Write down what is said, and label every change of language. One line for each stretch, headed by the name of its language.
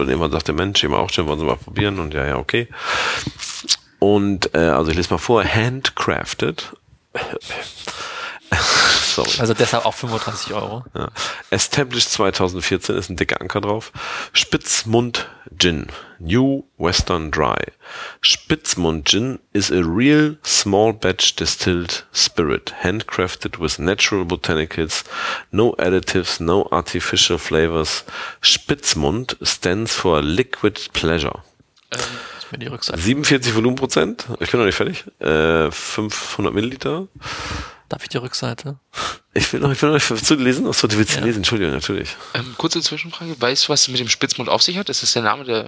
German: Und irgendwann sagte, Mensch, immer auch schön, wollen Sie mal probieren? Und ja, okay. Und also ich lese mal vor, handcrafted. Sorry. Also deshalb auch 35 Euro. Ja.
English: Established 2014,
German: ist ein dicker Anker drauf. Spitzmund Gin, New Western Dry.
English: Spitzmund Gin is a real small batch distilled spirit, handcrafted with natural botanicals, no additives, no artificial flavors. Spitzmund stands for liquid pleasure.
German: Die Rückseite. 47 Volumenprozent, ich bin noch nicht fertig, 500 Milliliter. Darf ich die Rückseite? Ich will noch zu lesen. Achso, du willst lesen, Entschuldigung, natürlich. Kurze Zwischenfrage, weißt du, was mit dem Spitzmund auf sich hat? Ist das der Name der...